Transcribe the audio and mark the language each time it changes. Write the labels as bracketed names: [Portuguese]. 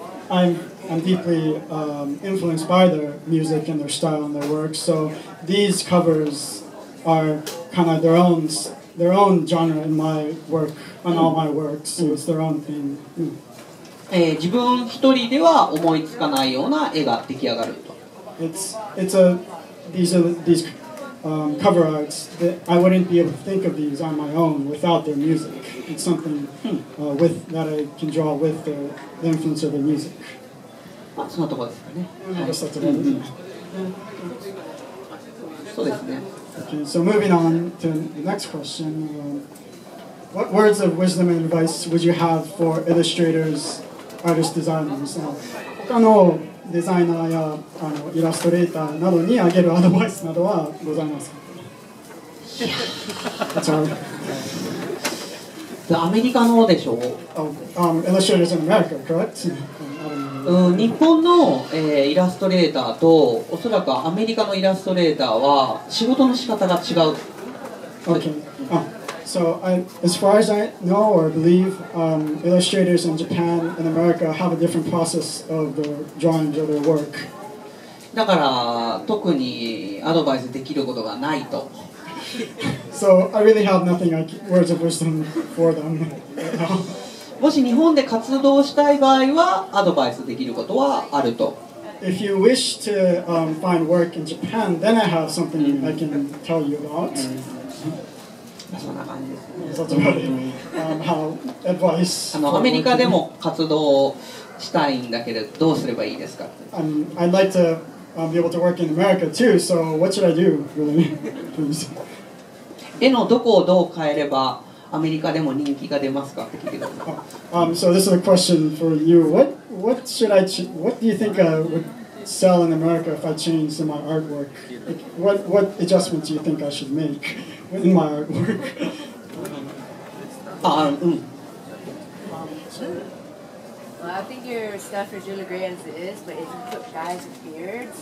[English] I'm deeply influenced by their music and their style and their work. So these covers are kind of their own genre in my work on all my works. So it's their own thing. Mm. [Japanese] 自分一人では思いつかないような絵が出来上がると。 [English] These cover arts that I wouldn't be able to think of these on my own without their music. It's something with that I can draw with the influence of the music. [Japanese] まあ、そのとこですかね。はい、そうですね。 [English] Okay, so moving on to the next question. What words of wisdom and advice would you have for illustrators? Artist designers. [Japanese] 他のデザイナーやあのイラストレーターなどにあげるアドバイスなどはございますか？いや、アメリカのでしょ。 [English] Illustrators in America, correct? [Japanese] 日本の、イラストレーターとおそらくアメリカのイラストレーターは仕事の仕方が違う。 [English] Okay. So as far as I know or believe, illustrators in Japan and America have a different process of the drawings of their work. [Japanese] だから特にアドバイスできることがないと。 [English] So I really have nothing like words of wisdom for them. [Japanese] もし日本で活動したい場合はアドバイスできることはあると。 [English] If you wish to find work in Japan, then I have something I can tell you about. [Japanese] そんな感じですね。アメリカでも活動したいんだけどどうすればいいですか。 [English] I'd like to be able to work in America too. So what should I do, really? Please. [Japanese] 絵のどこをどう変えればアメリカでも人気が出ますかって聞いてます。 [English] So this is a question for you. What do you think I would sell in America if I change some of my artwork? What adjustments do you think I should make? In my artwork. Well, I think your stuff is really great as it is, but if you put guys with beards,